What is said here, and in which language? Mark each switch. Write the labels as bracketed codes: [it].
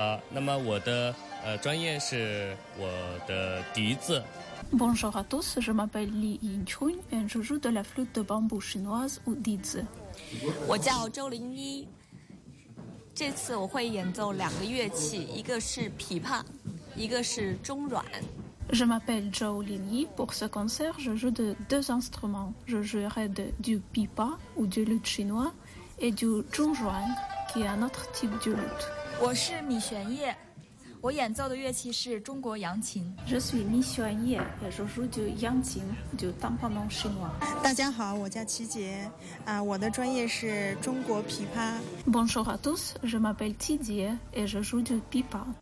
[zh] 那么我的专业是我的笛子。 [fr] Bonjour à tous, je m'appelle Li Yingchun et je joue de la flûte de bambou chinoise ou 笛子。 [zh] 我叫周玲一。这次我会演奏两个乐器，一个是琵琶，一个是中阮。 [fr] Je m'appelle Zhou Linyi. Pour ce concert, je joue de deux instruments. Je jouerai du pipa ou du luth chinois et du Zhong Zhuan, qui est un autre type de lutte. [zh] 我是米玄叶，我演奏的乐器是中国扬琴。 [fr] Je suis Mi Xuan Ye, je joue du 扬琴, du tambourin chinois. [zh] 大家好，我叫齐杰，啊，我的专业是中国琵琶。 [fr] Bonjour à tous, je m'appelle Tidier et je joue du pipa.